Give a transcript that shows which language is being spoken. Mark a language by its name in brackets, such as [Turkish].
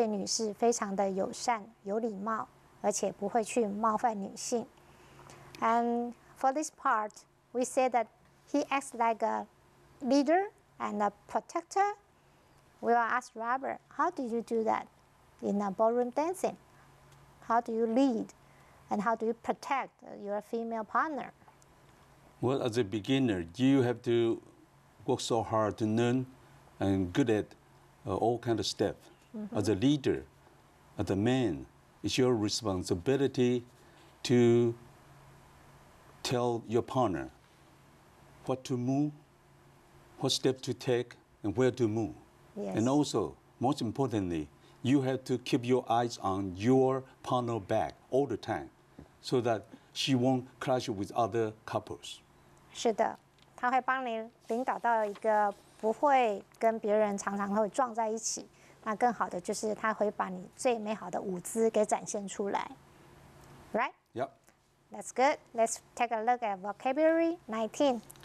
[Chinese] 这个骑士精神就是对女士非常的友善、有礼貌。而且不会去冒犯女性. [English] And for this part, we say that he acts like a leader and a protector. We will ask Robert, how do you do that in a ballroom dancing? How do you lead and how do you protect your female partner? Well, as a beginner, you have to work so hard to learn and good at all kinds of steps. Mm-hmm. As a leader, as a man, it's your responsibility to tell your partner what to move, what step to take, and where to move. Yes. And also, most importantly, you have to keep your eyes on your partner back all the time so that she won't clash with other couples. [Chinese] 是的，她会帮你领导到一个不会跟别人常常会撞在一起。那更好的就是她会把你最美好的舞姿给展现出来。 [English] Right? Yep. That's good. Let's take a look at vocabulary 19.